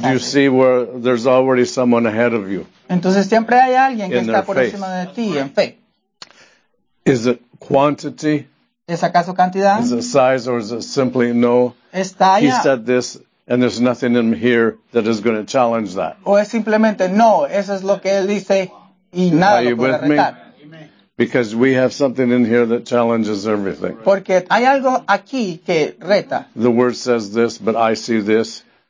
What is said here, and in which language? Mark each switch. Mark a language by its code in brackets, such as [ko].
[en] So do you see where there's already someone ahead of you? [es] Entonces siempre hay alguien que está por encima de ti en fe. [en] Is it quantity? [es] ¿Es acaso cantidad? [en] Is it size or is it simply no? [es] ¿Está [en] he said this. And there's nothing in here that is going to challenge that. [es] O es simplemente no, eso es lo que él dice y nada lo puede retar. [en] Because we have something in here that challenges everything. [es] Porque hay algo aquí que reta. [en] The word says this, but I see this.